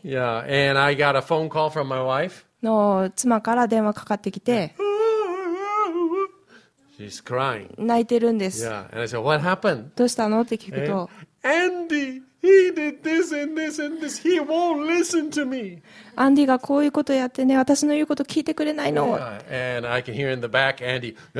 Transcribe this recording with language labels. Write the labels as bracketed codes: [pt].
[en] Yeah, and I got a phone call from my wife. [ja] の妻から電話かかってきて。 [en] She's crying. [ja] 泣いてるんです。 [en] Yeah, and I said, what happened? [ja] どうしたのって聞くと。 [en] Andy! He did this and this and this. He won't listen to me. [ja] Andy がこういうことやってね、私の言うこと聞いてくれないの。 [en] And I can hear in the back Andy.